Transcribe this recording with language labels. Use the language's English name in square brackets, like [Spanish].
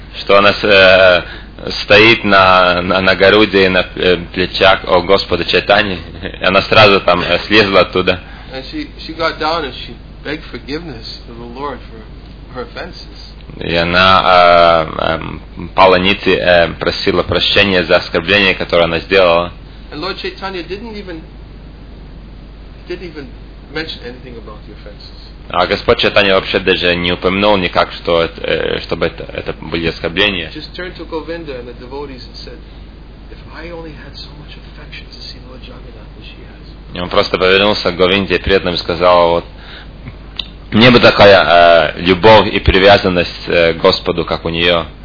[Russian] Что она стоит на Гаруде на плечах о Господа Чайтаньи, она сразу там слезла оттуда. [English] And she got down and she begged forgiveness to the Lord for her offenses. [Russian] И она пала ниц и просила прощения за оскорбление, которое она сделала. [English] And Lord Chaitanya didn't even mention anything about the offenses. [Russian] А Господь Чайтанья вообще даже не упомянул никак, что чтобы это были оскорбления. [English] Just turned to Govinda and the devotees and said, "If I only had so much affection to see Lord Jagannath as she has." [Russian] И он просто повернулся к Говинде и преданным и сказал, вот, мне бы такая любовь и привязанность к Господу, как у нее.